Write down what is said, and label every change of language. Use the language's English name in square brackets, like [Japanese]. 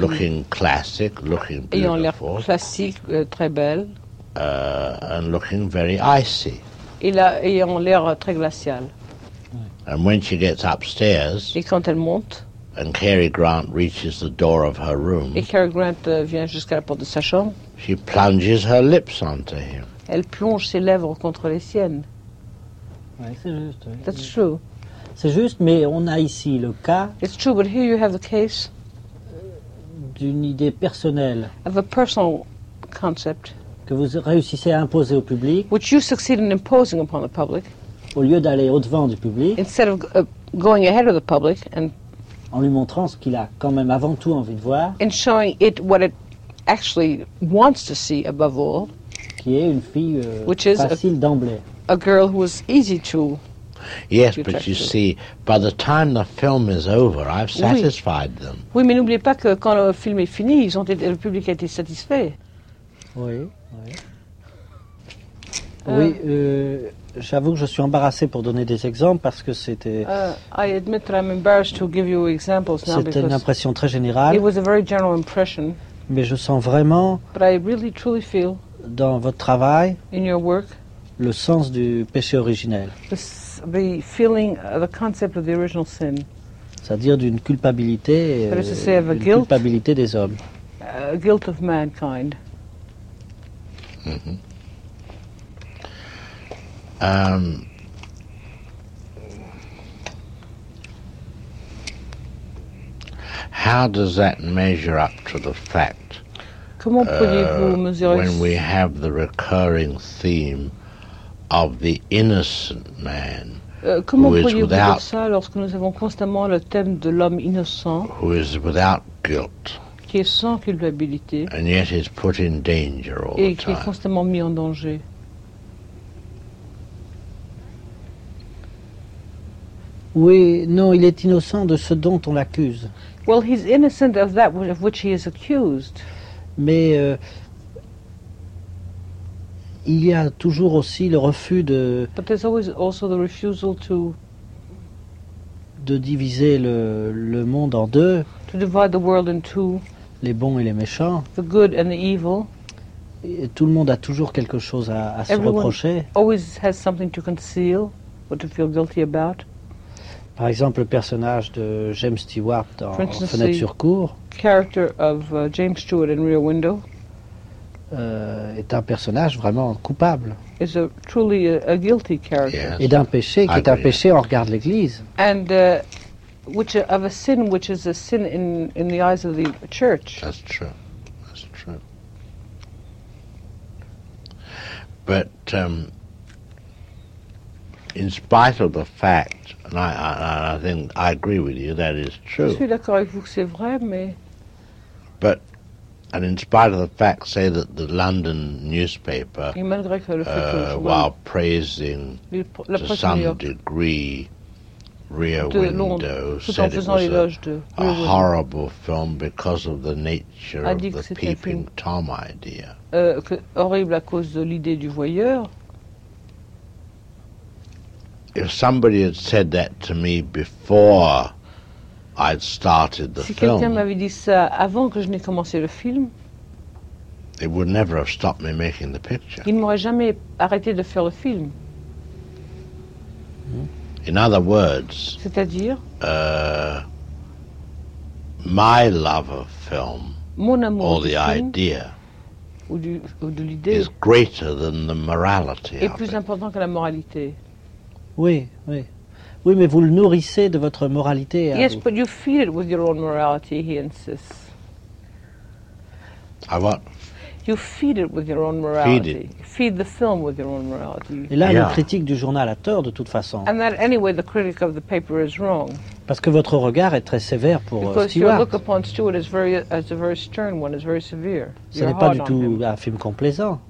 [English] Looking classic, looking beautiful. [French] Ayant l'air classique, très belle. [English] And looking very icy. [French] Et là, ayant l'air très glacial. [English] And when she gets upstairs. [French] Et quand elle monte. [English] And Cary Grant reaches the door of her room. [French] Et Cary Grant vient jusqu'à la porte de sa chambre. [English] She plunges her lips onto him. [French] Elle plonge ses lèvres contre les siennes. Oui, c'est juste. Oui. [English] That's true. [French] C'est juste, mais on a ici le cas. [English] It's true, but here you have the case. [French] D'une idée personnelle. [English] Of a personal concept. [French] Que vous réussissez à imposer au public. [English] Which you succeed in imposing upon the public. [French] Au lieu d'aller au-devant du public. [English] Instead of going ahead of the public and. [French] En lui montrant ce qu'il a quand même avant tout envie de voir. [English] In showing it what it actually wants to see above all, [French] qui est une fille facile d'emblée. [English] A girl who is easy to. Yes, but you see, by the time the film is over, I've satisfied [French] oui. [English] them. [French] Oui, mais n'oubliez pas que quand le film est fini, ils ont été, le public a été satisfait. Oui, oui. Oui, j'avoue que je suis embarrassé pour donner des exemples parce que c'était. [English] I admit that I'm embarrassed to give you examples now [French] c'était [English] because [French] une impression très générale. [English] It was a very general impression. [French] Mais je sens vraiment [English] really, truly feel [French] dans votre travail [English] in your work, [French] le sens du péché originel. [English] The feeling, the concept of the original sin. [French] c'est-à-dire d'une culpabilité, culpabilité des hommes. [English] Guilt of mankind. Mm-hmm. How does that measure up to the fact? [French] Comment pouvez-vous mesurer [English] when we have the recurring theme of the innocent man? [French] Comment pouvez-vous dire ça lorsque nous avons constamment le thème de l'homme innocent? [English] Who is without guilt? [French] Qui est sans culpabilité? [English] And yet is put in danger all time. [French] Et qui est constamment mis en danger. Oui, non, il est innocent de ce dont on l'accuse. [English] Well, he's innocent of that of which he is accused. [French] Mais il y a toujours aussi le refus de. [English] But there's always also the refusal to. [French] De diviser le monde en deux. [English] To divide the world in two. [French] Les bons et les méchants. [English] The good and the evil. [French] Et tout le monde a toujours quelque chose à [English] Everyone [French] se reprocher. [English] Always has something to conceal or to feel guilty about. [French] Par exemple, le personnage de James Stewart dans Fenêtre sur cour. [English] Character of James Stewart in Rear Window. [French] Est un personnage vraiment coupable. [English] Is a truly a guilty character. Yes. [French] Et d'un péché qui est un péché en regard de l'Église. [English] And which of a sin which is a sin in the eyes of the church. That's true. That's true. But in spite of the fact. And I think I agree with you, that is true. [French] Je suis d'accord avec vous que c'est vrai, mais. [English] But, and in spite of the fact, say that the London newspaper, [French] et malgré que le [English] while praising [French] la [English] to some degree Rear Window, said it was a horrible film because of the nature of the Peeping Tom idea. [French] Horrible à cause de l'idée du voyeur. [English] If somebody had said that to me before I'd started the [French] si [English] film, [French] si quelqu'un m'avait dit ça avant que je n'ai commencé le film, [English] it would never have stopped me making the picture. [French] Il m'aurait jamais arrêté de faire le film. [English] In other words, [French] c'est-à-dire, [English] my love of film, [French] mon amour [English] or the idea, [French] ou de l'idée, [English] is greater than the morality. [French] Est plus important que la moralité. Oui, oui. Oui, mais vous le nourrissez de votre moralité. [English] Yes, but you feed it with your own morality, he insists. I what? You feed it with your own morality. Feed it. Feed the film with your own morality. [French] Et là, le critique du journal a tort, de toute façon. [English] And that anyway, the critic of the paper is wrong. [French] Parce que votre regard est très sévère pour [English] Because Stewart. Because your look upon Stewart is very, as a very stern one, is very severe. [French] Ce n'est pas du tout un film complaisant.